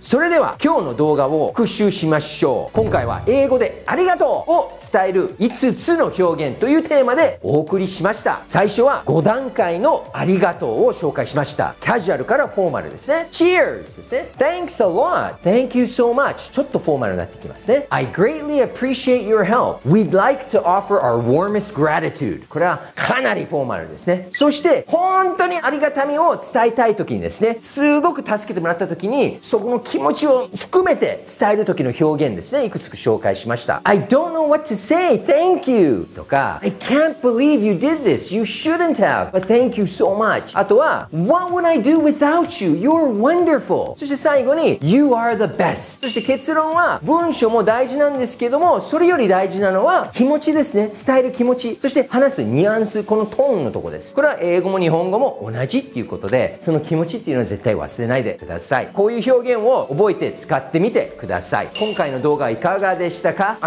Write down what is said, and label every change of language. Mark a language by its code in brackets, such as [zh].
[ja] それでは今日の動画を復習しましょう。今回は英語でありがとうを伝える5つの表現というテーマでお送りしました。最初は5段階のありがとうを紹介しました。キャジュアルからフォーマルですね。 [en] Cheers ですね。Thanks a lot. Thank you so much. [ja] ちょっとフォーマルになってきますね。 [en] I greatly appreciate your help. We'd like to offer our warmest gratitude. [ja] これはかなりフォーマルですね。そして本当にありがたみを伝えたい時にですね、すごく助けてもらった時にそこの気持ちを含めて伝える時の表現ですね、いくつか紹介しました。 [en] I don't know what to say. Thank you. [ja] とか [en] I can't believe you did this. You shouldn't have. But thank you so much. [ja] あとは [en] What would I do without you? You're wonderful. [ja] そして最後に [en] You are the best. [ja] そして結論は文章も大事なんですけども、それより大事なのは気持ちですね、伝える気持ち、そして話すニュアンス、このトーンのとこです。これは英語も日本語も同じっていうことで、その気持ちっていうのは絶対忘れないでください。こういう表現を覚えて使ってみてください。今回の動画はいかがでしたか？